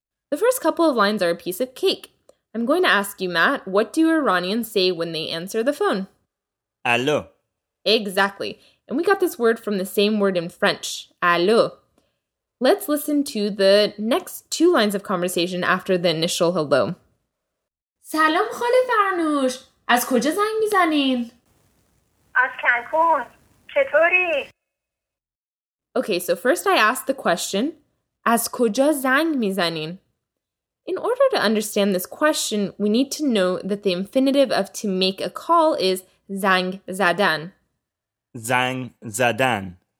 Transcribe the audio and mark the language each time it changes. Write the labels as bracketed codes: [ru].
[en] The first couple of lines are a piece of cake. I'm going to ask you, Matt, what do Iranians say when they answer the phone? [fa] Allo. [en] Exactly. And we got this word from the same word in French, allo. Let's listen to the next two lines of conversation after the initial hello. [fa] سلام خاله فرنوش، از کجا زنگ میزنین؟ از کنکون، چطوری؟ [en] Okay, so first I asked the question, [fa] از کجا زنگ میزنین؟ [en] In order to understand this question, we need to know that the infinitive of to make a call is [fa] زنگ زدن. زنگ زدن.